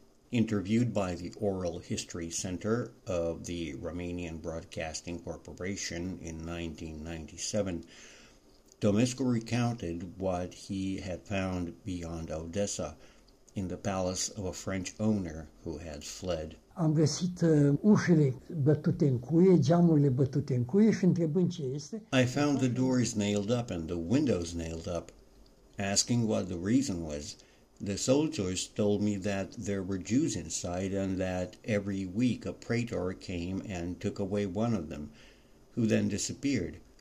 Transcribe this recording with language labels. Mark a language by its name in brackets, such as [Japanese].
[English] Interviewed by the Oral History Center of the Romanian Broadcasting Corporation in 1997, Tomescu recounted what he had found beyond Odessa in the palace of a French owner who had fled. [Romanian] Am găsit ușile bătute în cuie, geamurile bătute în cuie și întrebând ce este. [English] I found the doors nailed up and the windows nailed up. Asking what the reason was, the soldiers told me that there were Jews inside and that every week a praetor came and took away one of them, who then disappeared.